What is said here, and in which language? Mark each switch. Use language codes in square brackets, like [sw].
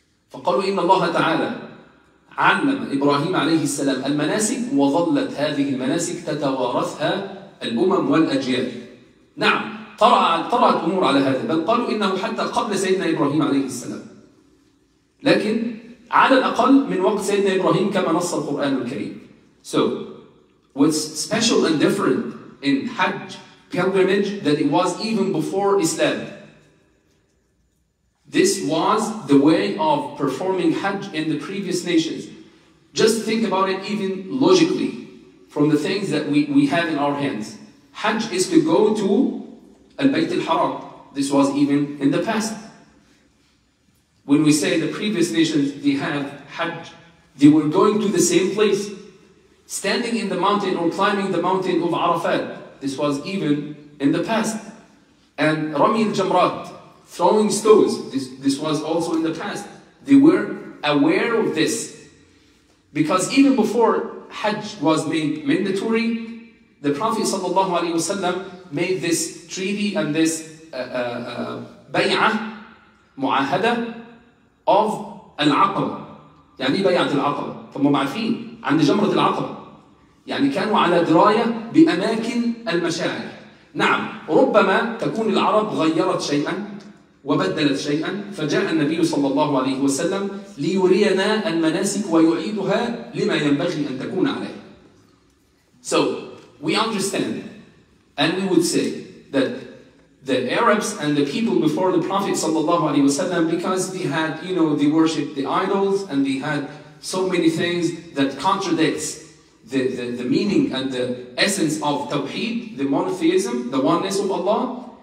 [ar] فقالوا إن الله تعالى علم إبراهيم عليه السلام المناسك وظلت هذه المناسك تتوارثها الأمم والأجيال. نعم، طرأت أمور على هذا، بل قالوا إنه حتى قبل سيدنا إبراهيم عليه السلام، لكن على الأقل من وقت سيدنا إبراهيم كما نص القرآن الكريم. [en] So what's special and different in Hajj pilgrimage that it was even before Islam. This was the way of performing Hajj in the previous nations. Just think about it even logically from the things that we have in our hands. Hajj is to go to Al-Bayt al-Haram. This was even in the past. When we say the previous nations, they have Hajj. They were going to the same place. Standing in the mountain or climbing the mountain of Arafat. This was even in the past. And Rami al-Jamrat, throwing stones. This was also in the past. They were aware of this. Because even before Hajj was made mandatory, the Prophet sallallahu alaihi wasallam made this treaty and this bay'ah, mu'ahada, of al-Aqaba. [ar] يعني بيعة العقبة فما معرفين عند جمرة العقبة يعني كانوا على دراية بأماكن المشاعر. نعم ربما تكون العرب غيرت شيئا وبدلت شيئا فجاء النبي صلى الله عليه وسلم ليرينا المناسك ويعيدها لما ينبغي أن تكون عليه. [en] So we understand and we would say that the Arabs and the people before the Prophet sallallahu alaihi wasallam, because they had, you know, they worshipped the idols and they had so many things that contradicts the meaning and the essence of Tawheed, the monotheism, the oneness of Allah.